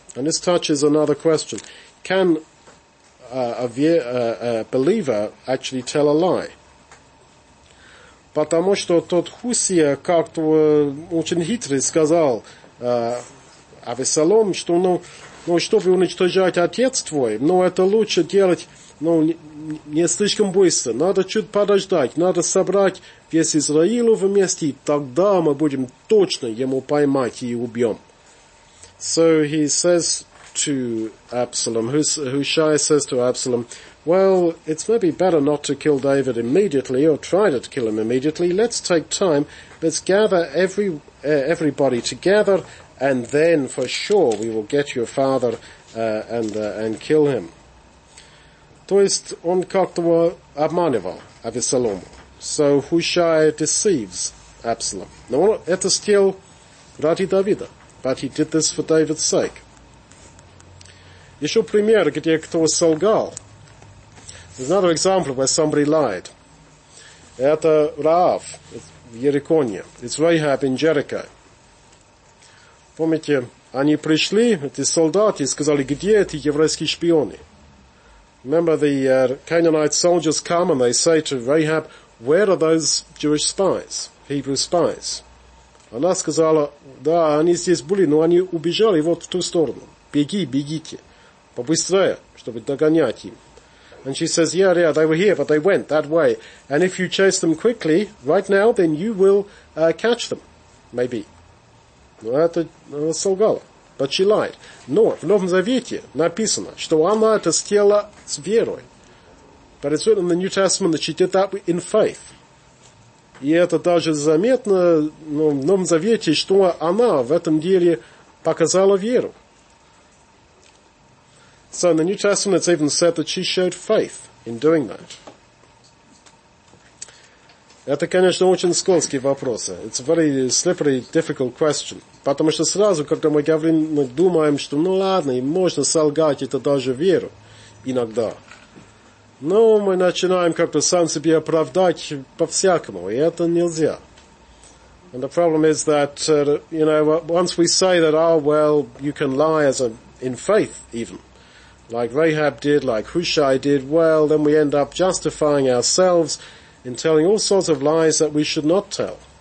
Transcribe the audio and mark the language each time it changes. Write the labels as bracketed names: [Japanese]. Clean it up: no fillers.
[English] And this touches another question. Can a believer actually tell a lie? [Russian] Потому что тот Хусия как-то очень хитрый сказал Авессалом, что, ну, ну, чтобы уничтожать отец твой, ну, это лучше делать, ну, не слишком быстро. Надо чуть подождать, надо собрать весь Израиль вместе, и тогда мы будем точно ему поймать и убьем. [English] So he says to Absalom, Hushai says to Absalom, well, it's maybe better not to kill David immediately or try to kill him immediately. Let's take time. Let's gather everybody together, and then for sure we will get your father and kill him. [Russian] То есть он как-то обманывал Авессалома. [English] So Хушай deceives Absalom. [Russian] Но это still ради Давида. [English] But he did this for David's sake. [Russian] Еще пример, где кто солгал. [English] There's another example where somebody lied. [Russian] Это Раав в Ерехоне. [English] It's Rahab in Jericho. [Russian] Помните, они пришли, эти солдаты, и сказали, где эти еврейские шпионы? [English] Remember, the Canaanite soldiers come and they say to Rahab, where are those Jewish spies? Hebrew spies. [Russian] Она сказала, да, они здесь были, но они убежали вот в ту сторону. Беги, бегите. Побыстрее, чтобы догонять им. [English] And she says, yeah, yeah, they were here, but they went that way. And if you chase them quickly, right now, then you will catch them, maybe. [Russian] Но это солгало. [English] But she lied. [Russian] Но в Новом Завете написано, что она это сделала с верой. [English] But it's written in the New Testament that she did that in faith. [Russian] И это даже заметно, ну, в Новом Завете, что она в этом деле показала веру. [English] So in the New Testament it's even said that she showed faith in doing that. [Russian] Это, конечно, очень скользкий вопрос. [English] It's a very slippery, difficult question. [Russian] Потому что сразу, когда мы говорим, мы думаем, что ну ладно, и можно солгать, это даже веру иногда. Но мы начинаем как-то сам себе оправдать по-всякому, и это нельзя. [English] And the problem is that, you know, once we say that, oh, well, you can lie as a, in faith even, like Rahab did, like Hushai did, well, then we end up justifying ourselves in telling all sorts of lies that we should not tell.